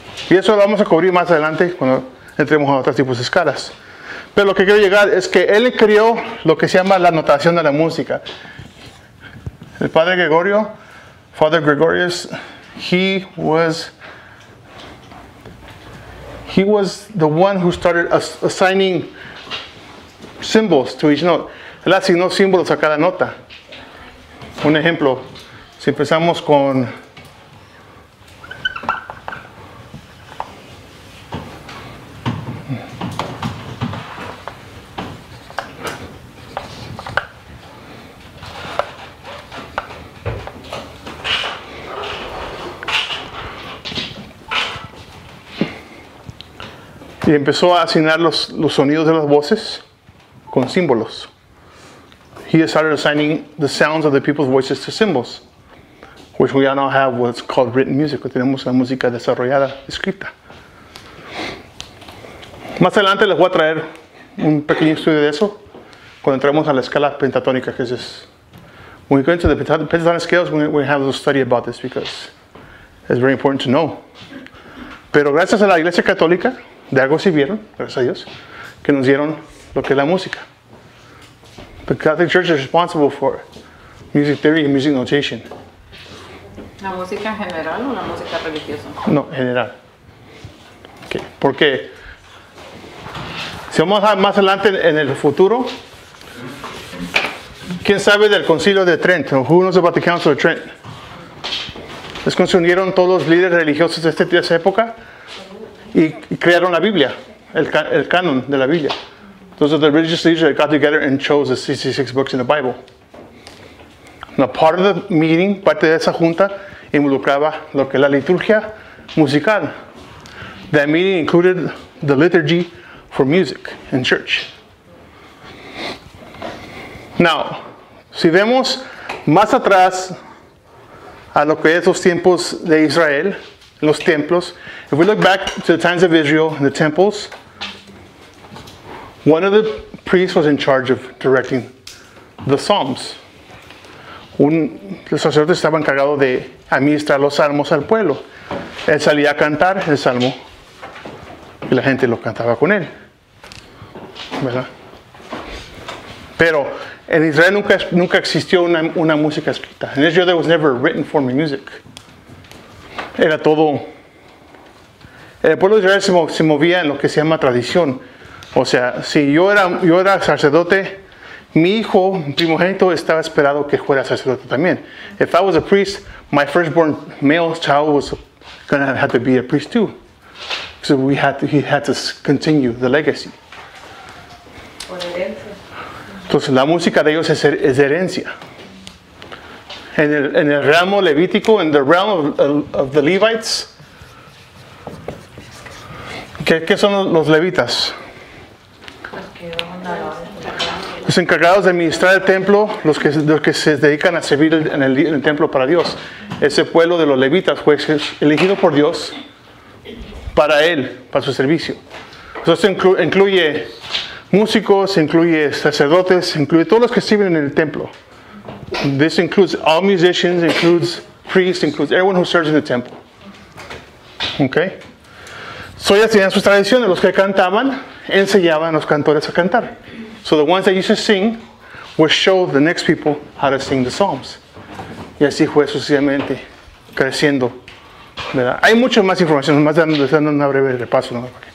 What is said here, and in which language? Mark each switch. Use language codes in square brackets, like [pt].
[es] Y eso lo vamos a cubrir más adelante cuando entremos a otros tipos de escalas. Pero lo que quiero llegar es que él creó lo que se llama la notación de la música. [en] El padre Gregorio, Father Gregorius, he was the one who started assigning symbols to each note. [es] Él asignó símbolos a cada nota. Un ejemplo, si empezamos con... Y empezó a asignar los sonidos de las voces con símbolos. [en] He started assigning the sounds of the people's voices to symbols, which we now have what's called written music. [es] Tenemos la música desarrollada, escrita. Más adelante les voy a traer un pequeño estudio de eso cuando entremos a la escala pentatónica, que es... [en] When we go into the pentatonic scales, we have a study about this because it's very important to know. [es] Pero gracias a la Iglesia Católica, de algo sirvieron, gracias a Dios, que nos dieron lo que es la música. [en] The Catholic Church is responsible for music theory and music notation. [es] ¿La música en general o la música religiosa? No, general. Okay. Porque si vamos a más adelante en el futuro, ¿Quién sabe del Concilio de Trent? [en] Who knows about the Council of Trent? [es] Es cuando se unieron todos los líderes religiosos de esa época y crearon la Biblia, el canon de la Biblia. [en] Those are the religious leaders that got together and chose the 66 books in the Bible. Now, part of the meeting, [es] parte de esa junta, involucraba lo que es la liturgia musical. [en] That meeting included the liturgy for music in church. Now, [es] si vemos más atrás a lo que es los tiempos de Israel, los templos, [en] if we look back to the times of Israel and the temples, one of the priests was in charge of directing the Psalms. [es] El sacerdote estaba encargado de administrar los salmos al pueblo. Él salía a cantar el salmo y la gente lo cantaba con él, ¿verdad? Pero en Israel nunca existió una música escrita. In Israel there was never a written form of music. Era todo. El pueblo de Israel se movía en lo que se llama tradición. O sea, si yo era sacerdote, mi hijo primogénito estaba esperado que fuera sacerdote también. [en] If I was a priest, my firstborn male child was going to have to be a priest too. So he had to continue the legacy. [es] Entonces, la música de ellos es herencia. En el ramo levítico, en [en] the realm of the Levites, [es] ¿qué son los levitas? Los encargados de administrar el templo, los que se dedican a servir en el templo para Dios. Ese pueblo de los levitas fue elegido por Dios para él, para su servicio. Entonces, incluye músicos, incluye sacerdotes, incluye todos los que sirven en el templo. [en] This includes all musicians, includes priests, includes everyone who serves in the temple. Okay? [es] So ya tenían sus tradiciones, los que cantaban, enseñaban a los cantores a cantar. [en] So the ones that used to sing would show the next people how to sing the psalms. [es] Y así fue sucesivamente creciendo, ¿verdad? Hay mucha más información, más dando un breve repaso, ¿no?